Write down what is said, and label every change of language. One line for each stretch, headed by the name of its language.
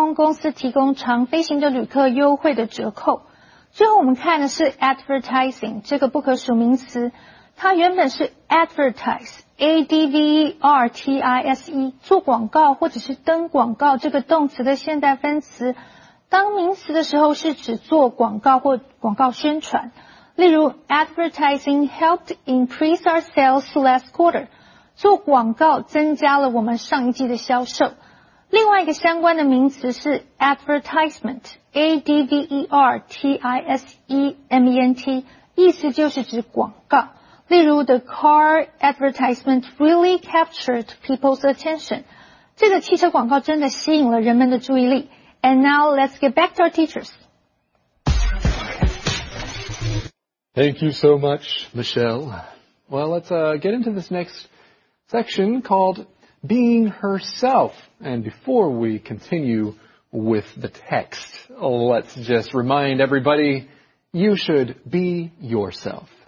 Chinese: 这家航空公司提供常飞行的旅客优惠的折扣 最后我们看的是 advertising 这个不可数名词 它原本是 advertise, A-D-V-E-R-T-I-S-E, 做广告或者是登广告这个动词的现代分词, 当名词的时候是指做广告或广告宣传, 例如
English: advertising helped increase our sales last quarter,
Chinese: 做广告增加了我们上一季的销售, 另外一个相关的名词是 advertisement, A-D-V-E-R-T-I-S-E-M-E-N-T, 意思就是指广告。
English: 例如 the car advertisement really captured people's attention.
Chinese: 这个汽车广告真的吸引了人们的注意力。
English: And now let's get back to our teachers. Thank you so much, Michelle. Well, let's get into this next section called Being Herself. And before we continue with the text, let's just remind everybody, you should be yourself.